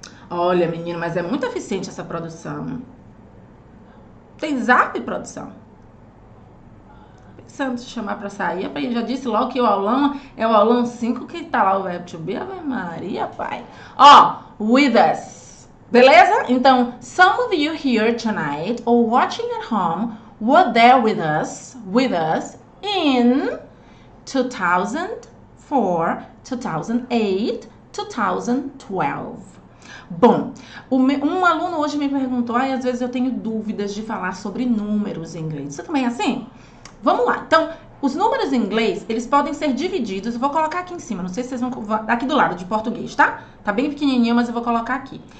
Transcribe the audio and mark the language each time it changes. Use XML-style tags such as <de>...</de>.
<pt>Olha, menino, mas é muito eficiente essa produção. Tem zap, produção? Pensando em chamar pra sair, eu já disse logo que o aulão é o aulão 5 que tá lá o web to be, Ave Maria, pai. Ó,</pt> <en>with us.</en> <pt>Beleza?</pt> <en>Então, some of you here tonight or watching at home were there with us in 2004, 2008, 2012.</en> <pt>Bom, um aluno hoje me perguntou, ai, às vezes eu tenho dúvidas de falar sobre números em inglês. Você também é assim? Vamos lá. Então, os números em inglês, eles podem ser divididos. Eu vou colocar aqui em cima, não sei se vocês vão. Aqui do lado, de português, tá? Tá bem pequenininho, mas eu vou colocar aqui.</pt>